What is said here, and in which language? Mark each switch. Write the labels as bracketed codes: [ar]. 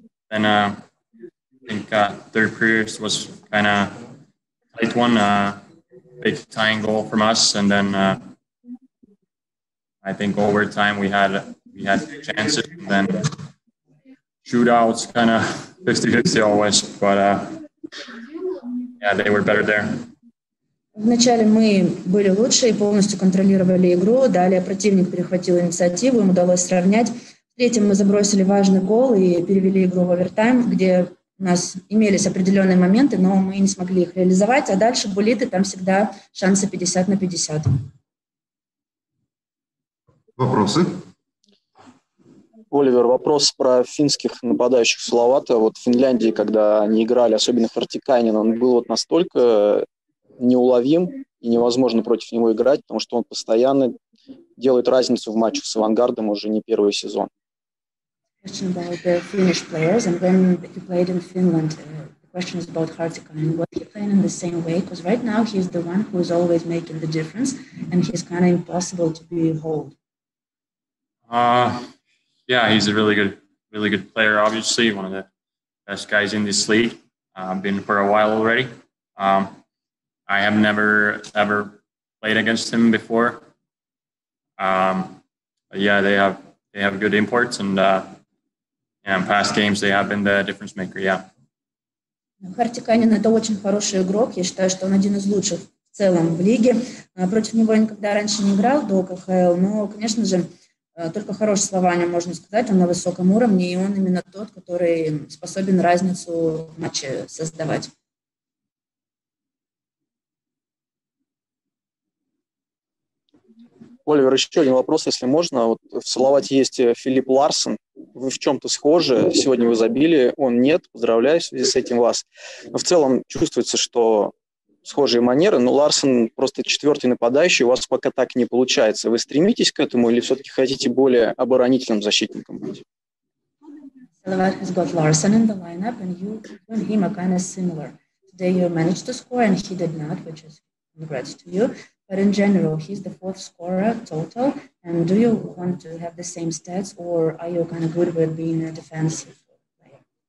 [en] I think third period was kind of tight one, big tying goal from us, and then I think over time we had chances, and then shootouts, kind of 50-50 always, but they were better there. [ru] Вначале мы были лучше и полностью контролировали игру. Далее противник перехватил инициативу, им удалось сравнять. В третьем мы забросили важный гол и перевели игру в овертайм, где у нас имелись определенные моменты, но мы не смогли их реализовать. А дальше булиты, там всегда шансы 50 на 50. Вопросы? Оливер, вопрос про финских нападающих Салавата. Вот в Финляндии, когда они играли, особенно Хартикайнен, он был вот настолько неуловим и невозможно против него играть, потому что он постоянно делает разницу в матчах с Авангардом уже не первый сезон. [en] Question about the Finnish players and when he played in Finland. The question is about Hartikainen. Was he playing in the same way? Because right now he's the one who is always making the difference, and he's kind of impossible to be held. Yeah, he's a really good player. Obviously, one of the best guys in this league. Been for a while already. I have never ever played against him before. Yeah, they have good imports and. And past games they have been the difference maker, yeah. [ru] Хартикайнен – это очень хороший игрок. Я считаю, что он один из лучших в целом в лиге. Против него я никогда раньше не играл до КХЛ, но, конечно же, только хорошие слова о нем можно сказать. Он на высоком уровне, и он именно тот, который способен разницу в матче создавать. Оливер, еще один вопрос, если можно. Вот в Салавате есть Филипп Ларсен. Вы в чем-то схожи. Сегодня вы забили, он нет. Поздравляю в связи с этим вас. Но в целом чувствуется, что схожие манеры. Но Ларсен просто четвертый нападающий. У вас пока так не получается. Вы стремитесь к этому или все-таки хотите более оборонительным защитником быть? [en] Салават has got Larsen in the lineup, and you and him are kind of similar. Today you managed to score, and he did not, which is congrats to you. But in general, he's the fourth scorer total. And do you want to have the same stats, or are you kind of good with being a defensive player?